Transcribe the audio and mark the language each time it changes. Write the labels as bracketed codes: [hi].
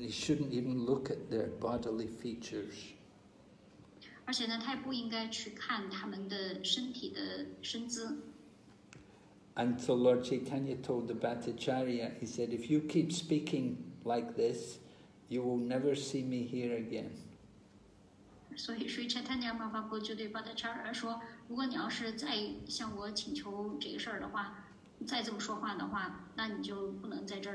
[en] he shouldn't even look at their bodily features. [zh] 而且呢，他也不应该去看他们的身体的身姿。 [en] And so Lord Chaitanya told the Bhattacharya, he said, if you keep speaking like this, you will never see me here again. So Sri Chaitanya Mahaprabhu told Bhattacharya, if you keep speaking like this, you will never see me here